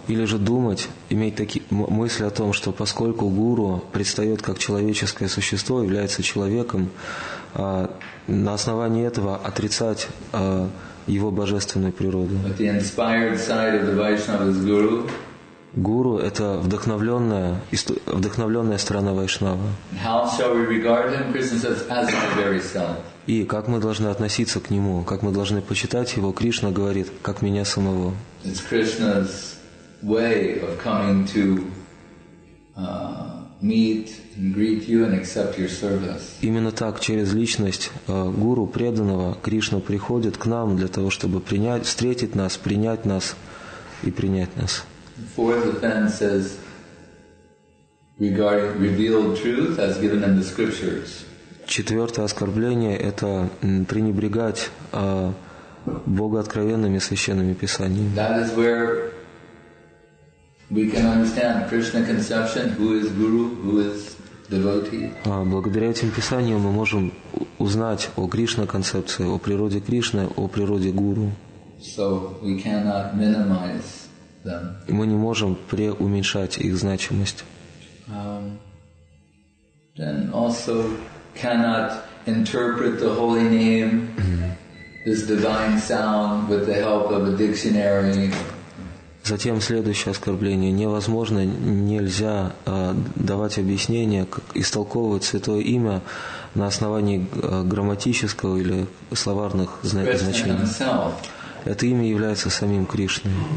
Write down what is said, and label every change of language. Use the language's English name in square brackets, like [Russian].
[Russian] Или же думать, иметь такие мысли о том, что поскольку гуру предстает как человеческое существо, является человеком, на основании этого отрицать его божественную природу. [English] But the inspired side of the Vaishnava is guru. [Russian] Гуру – это вдохновленная сторона Вайшнава. [English] How shall we regard him? Krishna says, as my very self. [Russian] И как мы должны относиться к нему, как мы должны почитать его, Кришна говорит, как меня самого. Именно так, через личность гуру преданного, Кришна приходит к нам для того, чтобы встретить нас, принять нас и принять нас. [English] Fourth offense says regarding revealed truth as given in the scriptures. [Russian] Четвертое оскорбление – это пренебрегать богооткровенными священными писаниями. [English] That is where we can understand Krishna conception, who is guru, who is devotee. [Russian] Благодаря этим писаниям мы можем узнать о Кришна концепции, о природе Кришны, о природе гуру. [English] So we cannot minimize them. [Russian] Мы не можем преуменьшать их значимость. [English] Then also cannot interpret the holy name, this divine sound, with the help of a dictionary. [Russian] Затем следующее оскорбление. Невозможно, нельзя давать объяснение, как истолковывать святое имя на основании грамматического или словарных значений. Это имя является самим Кришной.